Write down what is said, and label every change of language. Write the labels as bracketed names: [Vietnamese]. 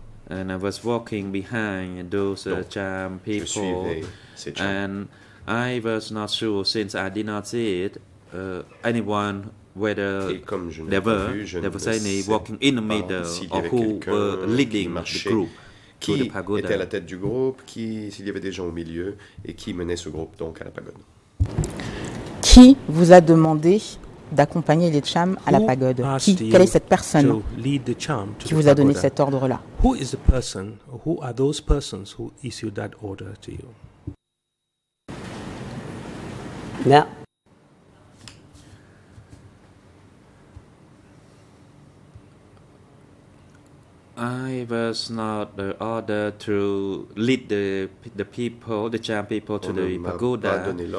[English] And I was walking behind those Cham people, and I was not sure, since I did not see it, anyone, whether there was any walking in the middle, or who were leading the group [French] qui [English] to the pagoda. [French] Était à la tête du groupe, qui, s'il y avait des gens au milieu, et qui menait ce groupe donc à la pagode. Qui vous a demandé d'accompagner les Cham à la pagode? Qui, quelle est cette personne qui vous a donné cet ordre-là? [English] Who is the person, who are those persons who issued that order to you? Yeah. Uh, I was not ordered to lead the people, the Cham people, to the pagoda.